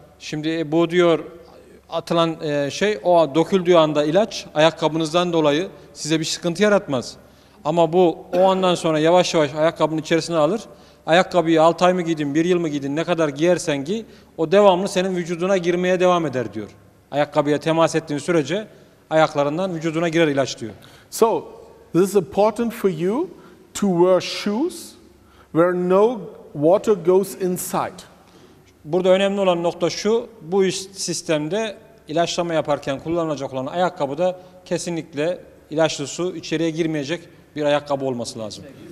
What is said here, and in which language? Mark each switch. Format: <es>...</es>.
<tr>Şimdi bu diyor atılan şey o döküldüğü anda ilaç ayakkabınızdan dolayı size bir sıkıntı yaratmaz. Ama bu o andan sonra yavaş yavaş ayakkabının içerisine alır. Ayakkabıyı 6 ay mı giydin, 1 yıl mı giydin, ne kadar giyersen giy, o devamlı senin vücuduna girmeye devam eder diyor. Ayakkabıya temas ettiğin sürece ayaklarından vücuduna girer ilaç diyor.</tr> <en>So, this is important for you to wear shoes where no water goes inside.</en> <tr>Burada önemli olan nokta şu, bu sistemde ilaçlama yaparken kullanılacak olan ayakkabıda kesinlikle ilaçlı su içeriye girmeyecek bir ayakkabı olması lazım.</tr>